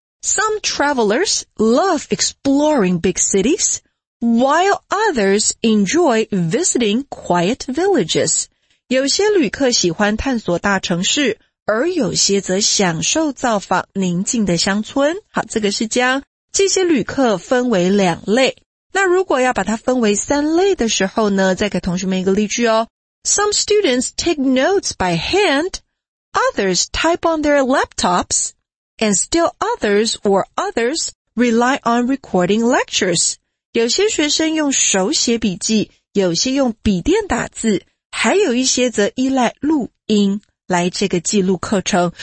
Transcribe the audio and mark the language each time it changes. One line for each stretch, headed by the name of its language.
English: Some travelers love exploring big cities, while others enjoy visiting quiet villages.
Chinese: 有些旅客喜欢探索大城市，而有些则享受造访宁静的乡村。好，这个是将这些旅客分为两类。那如果要把它分为三类的时候呢，再给同学们一个例句哦。
English: Some students take notes by hand,Others type on their laptops, and still others or others rely on recording lectures.
Chinese: 有些学生用手写笔记，有些用笔电打字，还有一些则依赖录音来这个记录课程。